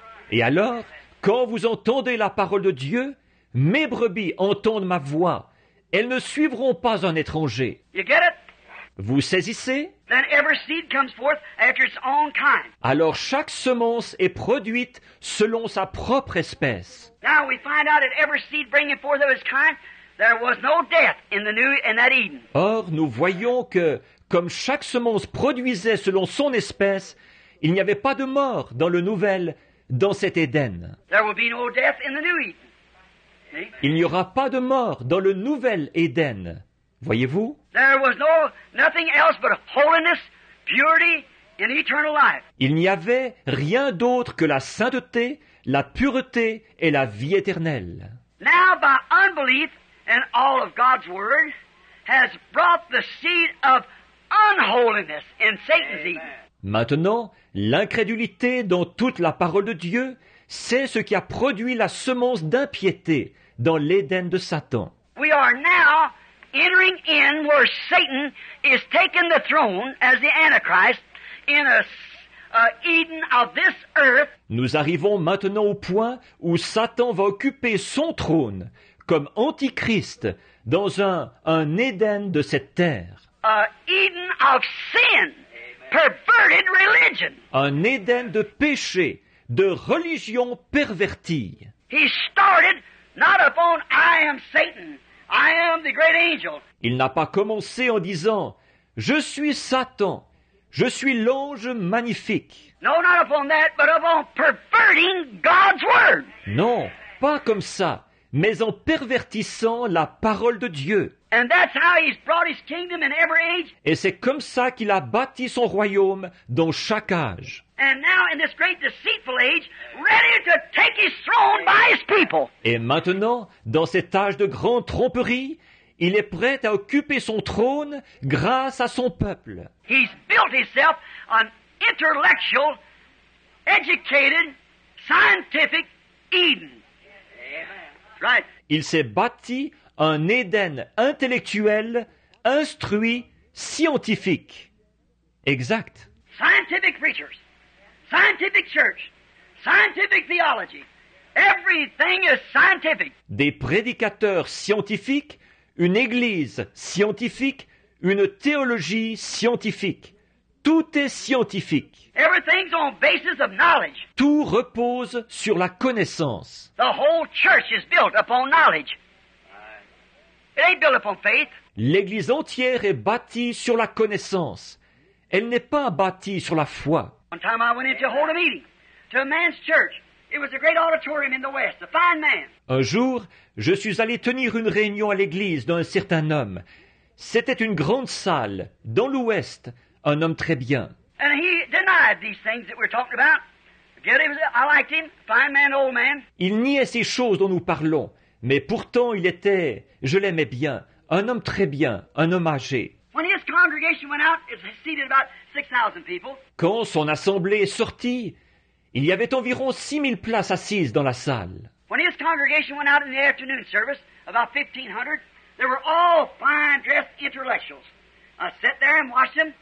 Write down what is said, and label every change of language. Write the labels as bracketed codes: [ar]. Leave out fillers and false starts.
[fr] Et alors, quand vous entendez la parole de Dieu, mes brebis entendent ma voix. Elles ne suivront pas un étranger. [en] You get it? [fr] Vous saisissez? [en] Then every seed comes forth after its own kind. [fr] Alors chaque semence est produite selon sa propre espèce. [en] Now we find out that every seed bringing forth of its kind, there was no death in the new in that Eden. [fr] Or nous voyons que comme chaque semence produisait selon son espèce, il n'y avait pas de mort dans le nouvel dans cet Éden. [en] There will be no death in the new Eden. [fr] Il n'y aura pas de mort dans le nouvel Éden. Voyez-vous? [en] There was no, nothing else but holiness, purity, and eternal life. [fr] Il n'y avait rien d'autre que la sainteté, la pureté et la vie éternelle. [en] Now by unbelief and all of God's word has brought the seed of unholiness in Satan's Eden. [fr] Maintenant, l'incrédulité dans toute la parole de Dieu, c'est ce qui a produit la semence d'impiété dans l'Éden de Satan. [en] We are now entering in where Satan is taking the throne as the Antichrist in a Eden of this earth. [fr] Nous arrivons maintenant au point où Satan va occuper son trône comme Antichrist dans un Éden de cette terre. [en] A Eden of sin, perverted religion. [fr] Un Éden de péché, de religion pervertie. [en] He started not upon I am Satan. I am the great angel. [fr] Il n'a pas commencé en disant « Je suis Satan, je suis l'ange magnifique. » [en] No, not upon that, but upon perverting God's word. [fr] Non, pas comme ça, mais en pervertissant la parole de Dieu. [en] And that's how he's brought his kingdom in every age. [fr] Et c'est comme ça qu'il a bâti son royaume dans chaque âge. [en] And now in this great deceitful age, ready to take his throne by his people. [fr] Et maintenant, dans cet âge de grande tromperie, il est prêt à occuper son trône grâce à son peuple. [en] He's built himself an intellectual, educated, scientific Eden. Right. [fr] Il s'est bâti un Éden intellectuel, instruit, scientifique. Exact. [en] Scientific preachers. Scientific church, scientific theology, everything is scientific. [fr] Des prédicateurs scientifiques, une église scientifique, une théologie scientifique. Tout est scientifique. [en] Everything's on basis of knowledge. [fr] Tout repose sur la connaissance. [en] The whole church is built upon knowledge. It ain't built upon faith. [fr] L'église entière est bâtie sur la connaissance. Elle n'est pas bâtie sur la foi. [en] One time I went in to hold a meeting to a man's church. It was a great auditorium in the West, a fine man. [fr] Un jour, je suis allé tenir une réunion à l'église d'un certain homme. C'était une grande salle, dans l'Ouest, un homme très bien. [en] And he denied these things that we're talking about. I liked him, fine man, old man. [fr] Il niait ces choses dont nous parlons, mais pourtant il était, je l'aimais bien, un homme très bien, un homme âgé. [en] When his congregation went out, it seated about 6,000 people. [fr] Quand son assemblée est sortie, il y avait environ 6,000 places assises dans la salle. [en] When his congregation went out in the afternoon service, about 1,500, they were all fine-dressed intellectuals. I sat there and watched them.